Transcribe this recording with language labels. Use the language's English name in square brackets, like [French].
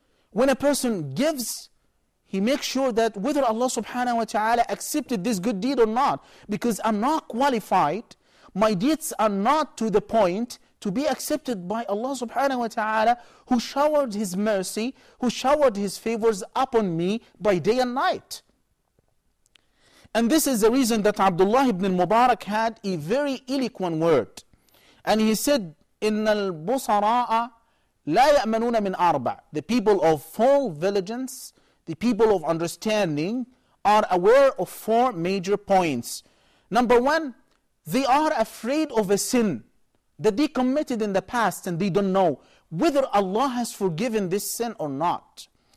[English] When a person gives, he makes sure that whether Allah subhanahu wa ta'ala accepted this good deed or not, because I'm not qualified, my deeds are not to the point to be accepted by Allah subhanahu wa ta'ala, who showered His mercy, who showered His favors upon me by day and night. And this is the reason that Abdullah ibn Mubarak had a very eloquent word. And he said, [Arabic] إِنَّ الْبُصَرَاءَ لَا يَأْمَنُونَ مِنْ أَرْبَعَ. [English] The people of full vigilance, the people of understanding, are aware of four major points. Number one, they are afraid of a sin that they committed in the past and they don't know whether Allah has forgiven this sin or not.